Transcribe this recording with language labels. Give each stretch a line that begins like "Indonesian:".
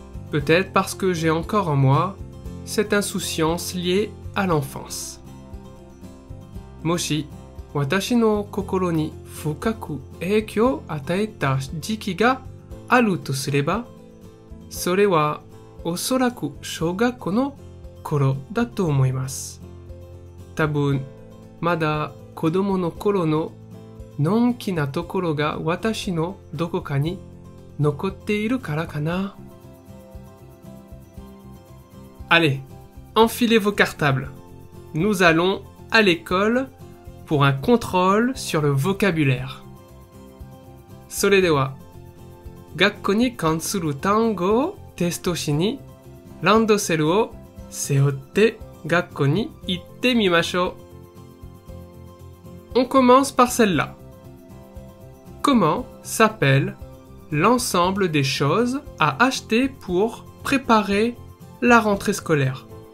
French: Peut-être parce que j'ai encore en moi cette insouciance liée à l'enfance.
Japanese: Moshi, watashi no kokoro ni fukaku eikyo ataeta jiki ga aru to sureba,それはおそらく小学校の頃だと思います。多分まだ子供の頃ののんきなところが私のどこかに残っているからかな。
French: Allez, enfilez vos cartables. Nous allons à l'école pour un contrôle sur le vocabulaire.
Japanese: それでは学校に関する単語をテストしにランドセルを背負って学校に行ってみましょう。
French: On commence par celle-là. Comment s'appelle l'ensemble des choses à acheter pour préparer la rentrée scolaire?